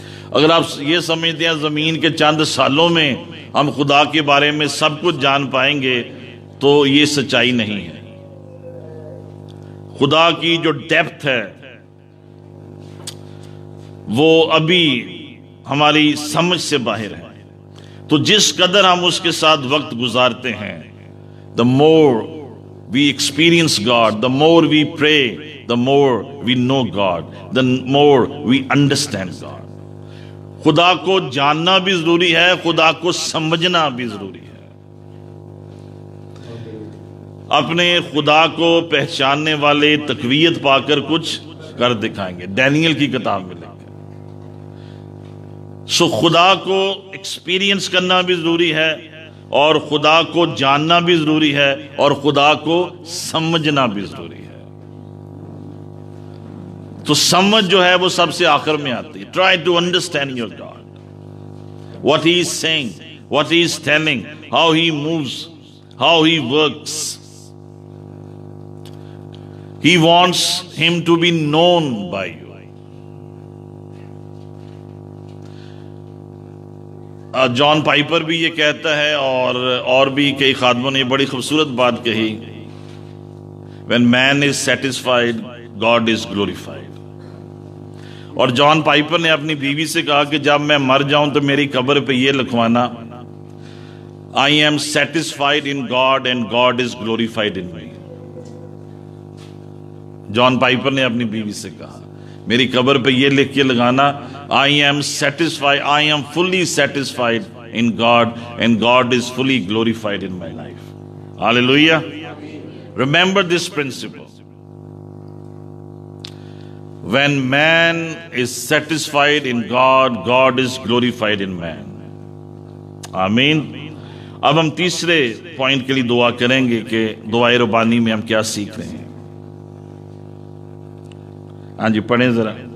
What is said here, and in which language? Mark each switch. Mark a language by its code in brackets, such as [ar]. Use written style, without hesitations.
[ur] اگر آپ یہ سمجھتے ہیں زمین کے چند سالوں میں ہم خدا کے بارے میں سب کچھ جان پائیں گے تو یہ سچائی نہیں ہے. خدا کی جو ڈیپتھ ہے وہ ابھی ہماری سمجھ سے باہر ہے. تو جس قدر ہم اس کے ساتھ وقت گزارتے ہیں, [en] the more we experience God, the more we pray, the more we know God, the more we understand God. [ur] خدا کو جاننا بھی ضروری ہے, خدا کو سمجھنا بھی ضروری ہے. اپنے خدا کو پہچاننے والے تقویت پا کر کچھ کر دکھائیں گے, ڈینیل کی کتاب میں لکھا ہے. سو خدا کو ایکسپیرینس کرنا بھی ضروری ہے اور خدا کو جاننا بھی ضروری ہے اور خدا کو سمجھنا بھی ضروری ہے. تو سمجھ جو ہے وہ سب سے آخر میں آتی ہے. [en] Try to understand your God, what he is saying, what he is telling, how he moves, how he works. He wants him to be known by you. [ur] John Piper بھی یہ کہتا ہے اور بھی کئی خادموں نے بڑی خوبصورت بات کہی, [en] when man is satisfied, God is glorified. [ur] اور جان پائپر نے اپنی بیوی سے کہا کہ جب میں مر جاؤں تو میری قبر پہ یہ لکھوانا, [en] I am satisfied in God and God is glorified in me. [ur] John Piper نے اپنی بیوی سے کہا, میری قبر پہ یہ لکھ کے لگانا, [en] I am fully satisfied in God and God is fully glorified in my life. Hallelujah. Remember this principle. When man is satisfied in God, God is glorified in man. Amen. [ur] اب ہم تیسرے پوائنٹ کے لیے دعا کریں گے کہ دعائے ربانی میں ہم کیا سیکھ رہے ہیں. ہاں جی پڑھیں ذرا.